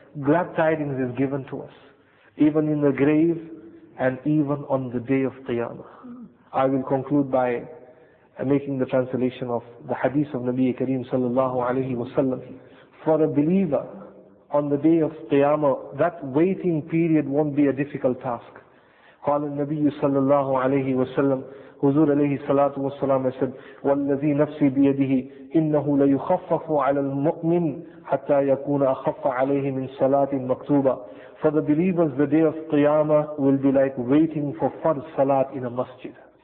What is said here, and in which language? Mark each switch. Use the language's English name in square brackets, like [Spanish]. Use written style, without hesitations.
[English] Glad tidings is given to us, even in the grave and even on the day of Qiyamah. I will conclude by making the translation of the hadith of Nabi Kareem sallallahu alayhi wa sallam. For a believer, on the day of Qiyamah, that waiting period won't be a difficult task. [Arabic] قال النبي صلى الله عليه وسلم حضور عليه الصلاة والسلام said والذي نفسي بيده إنه ليخفف على المؤمن حتى يكون أخف عليه من صلاة مكتوبة. [English] For the believers, the day of Qiyamah will be like waiting for Fard Salat in a masjid.